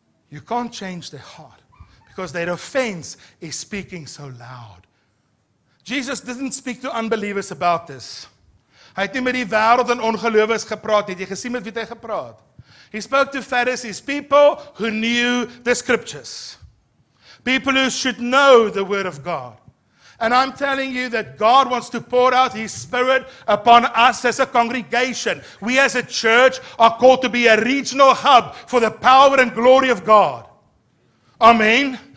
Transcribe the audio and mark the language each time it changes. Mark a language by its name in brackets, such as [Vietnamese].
[English] You can't change their heart because their offense is speaking so loud. Jesus didn't speak to unbelievers about this. [Afrikaans] Hy het nie met die wêreld en ongelowiges gepraat nie. Het jy gesien met wie hy gepraat? [English] He spoke to Pharisees, people who knew the scriptures. People who should know the word of God. And I'm telling you that God wants to pour out His Spirit upon us as a congregation. We as a church are called to be a regional hub for the power and glory of God. Amen.